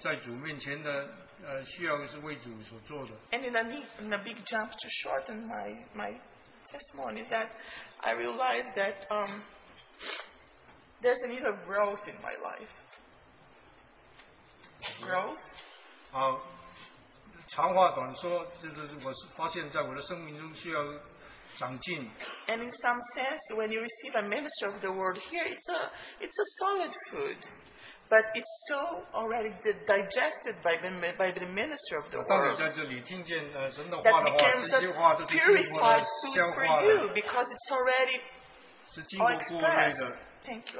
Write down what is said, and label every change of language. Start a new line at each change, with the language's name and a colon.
Chinese: 就好像我们刚才诗歌所说的，你的一切侍奉，一切的，在主面前的，需要是为主所做的。
English: And in a big jump to shorten my testimony, that I realized that there's a need of growth in my life. Growth.
Chinese: 长话短说，就是我是发现在我的生命中需要。长进.
English: And in some sense, when you receive a minister of the word here, it's a solid food, but it's so already digested by the minister of the word that becomes a purified food for you because it's already all expressed. Thank you.